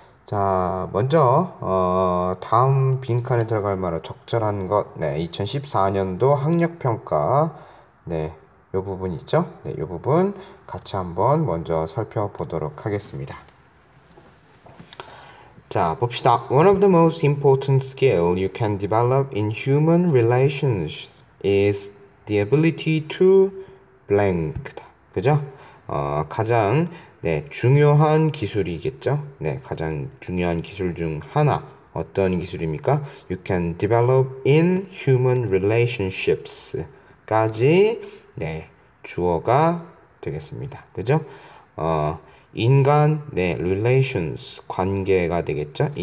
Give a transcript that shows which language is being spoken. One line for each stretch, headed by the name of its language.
Korean: 자, 먼저 다음 빈칸에 들어갈 말은 적절한 것 네, 2014년도 학력 평가 네. 이 부분 있죠? 네, 이 부분 같이 한번 먼저 살펴보도록 하겠습니다. 자, 봅시다.
English: One of the most important skill you can develop in human relations is the ability to blank.
Korean: 그죠? 가장 네, 중요한 기술이겠죠? 네, 가장 중요한 기술 중 하나. 어떤 기술입니까?
English: You can develop in human relationships까지 네.
Korean: 주어가 되겠습니다. 그죠? 인간, 네, relations, 관계가 되겠죠?